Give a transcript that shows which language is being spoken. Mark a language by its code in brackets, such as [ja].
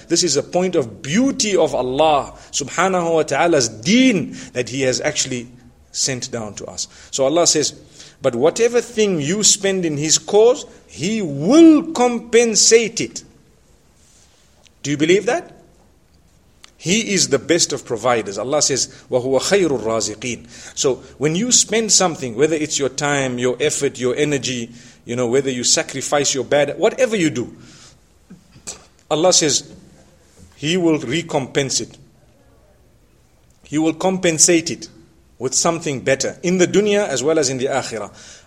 [en] This is a point of beauty of Allah subhanahu wa ta'ala's deen that He has actually sent down to us. So Allah says, but whatever thing you spend in His cause, He will compensate it. Do you believe that? He is the best of providers. Allah says, [ar] وَهُوَ خَيْرُ الرَّازِقِينَ. [en] So when you spend something, whether it's your time, your effort, your energy, you know, whether you sacrifice your bad, whatever you do, Allah says, He will recompense it. He will compensate it with something better, in the dunya as well as in the akhirah.